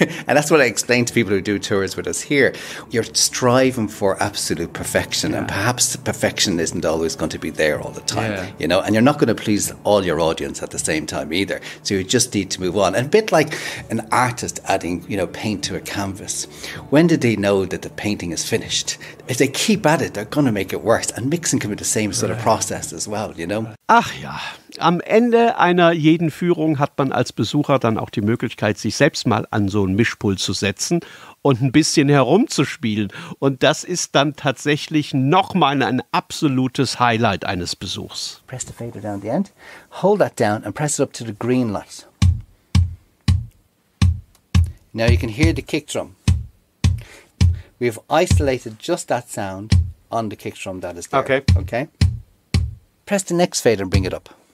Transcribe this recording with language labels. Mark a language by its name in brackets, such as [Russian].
[English] And that's what I explain to people who do tours with us here. You're striving for absolute perfection, and perhaps the perfection isn't always going to be there all the time, you know, and you're not going to please all your audience at the same time either. So you just need to move on. And a bit like an artist adding, you know, paint to a canvas. When did they know that the painting is finished? If they keep at it, they're going to make it worse. And mixing can be the same sort of process as well, you know. [German] Ach ja. Am Ende einer jeden Führung hat man als Besucher dann auch die Möglichkeit, sich selbst mal an so einen Mischpult zu setzen und ein bisschen herumzuspielen. Und das ist dann tatsächlich nochmal ein absolutes Highlight eines Besuchs. [English] Press the fader down the end, hold that down and press it up to the green light. Now you can hear the kick drum. We have isolated just that sound on the kick drum that is there. Okay. Okay. Press the next fader and bring it up.